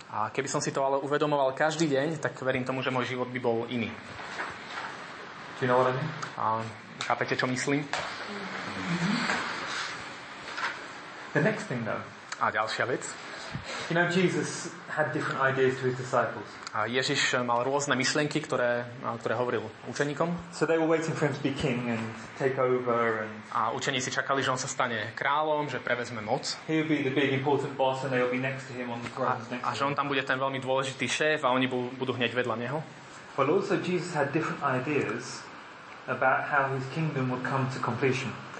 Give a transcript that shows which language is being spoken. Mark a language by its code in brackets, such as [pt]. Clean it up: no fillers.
[sk] A keby som si to ale uvedomoval každý deň, tak verím tomu, že môj život by bol iný. [en] Do you know what I mean? [sk] A chápete, čo myslím? [en] The next thing though. [sk] A ďalšia vec. [en] You know, Jesus had different ideas to his disciples. [sk] A Ježiš mal rôzne myšlienky, ktoré hovoril učeníkom. [en] So they were waiting for him to be king and take over and [sk] a učeníci čakali, že on sa stane kráľom, že prevezme moc. [en] He would be the big important boss and they'll be next to him on the throne. [sk] A že on tam bude ten veľmi dôležitý šéf a oni budú hneď vedľa neho. [en] But also Jesus had different ideas about how his kingdom would come to completion.